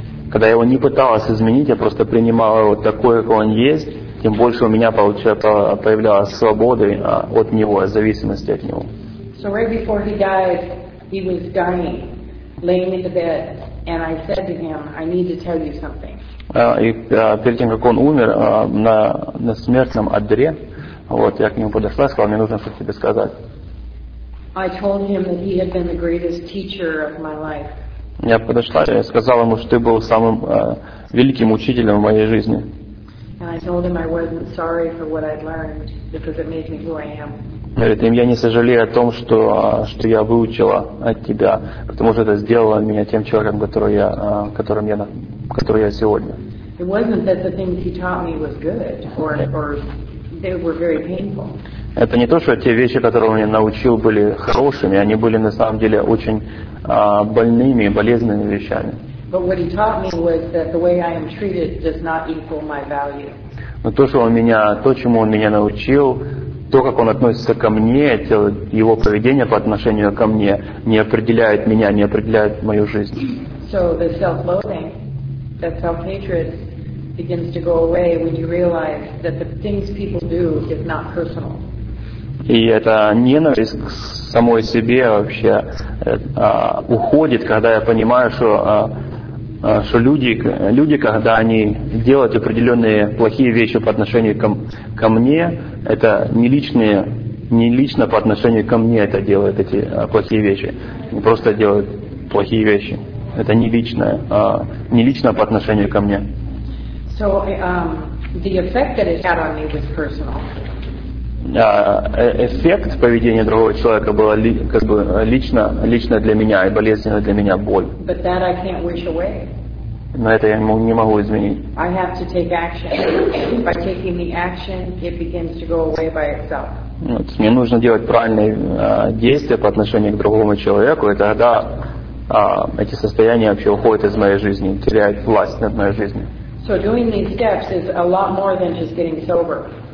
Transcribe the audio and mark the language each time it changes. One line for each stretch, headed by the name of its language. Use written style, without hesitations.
Russian: Когда я его не пыталась изменить, я просто принимала его такой, какой он есть, тем больше у меня появлялась свобода от него, от зависимости от него.
English: So right before he died, he was dying, laying in the bed, and I said to him, I need to tell you something.
Russian: Перед тем, как он умер на смертном одре, вот, я к нему подошла и сказала, мне нужно что-то тебе сказать.
English: I told him that he had been the greatest teacher of my life.
Russian: Я подошла и сказала ему, что ты был самым великим учителем в моей жизни.
English: And I told him I wasn't sorry for what I'd learned, because it made me who I am.
Russian: Говорит, я не сожалею о том, что я выучила от тебя, потому что это сделало меня тем человеком, который я сегодня.
English: It wasn't that the things he taught me was good, or they were very painful.
Russian: Это не то, что те вещи, которые он меня научил, были хорошими, они были на самом деле очень больными, болезненными вещами.
English: But what he taught me was that the way I am treated does not equal my value.
Russian: Но то, чему он меня научил, то, как он относится ко мне, его поведение по отношению ко мне не определяет меня, не определяет мою жизнь.
English: So the self-loathing, that self-hatred begins to go away when you realize that the things people do is not personal.
Russian: И эта ненависть к самой себе вообще уходит, когда я понимаю, что люди, когда они делают определенные плохие вещи по отношению ко мне, это не лично по отношению ко мне это делают эти плохие вещи. Они просто делают плохие вещи. Это не лично по отношению ко мне.
English: So, the effect that it had on me was personal.
Russian: Эффект поведения другого человека было как бы лично для меня и болезненно для меня боль.
English: But that I can't wish away.
Russian: Но это я не могу изменить.
English: I have to take action. By taking the action, it begins to go away by itself.
Russian: Вот, мне нужно делать правильные действия по отношению к другому человеку, и тогда эти состояния вообще уходят из моей жизни, теряют власть над моей жизнью.
English: So doing these steps is a lot more than just getting sober.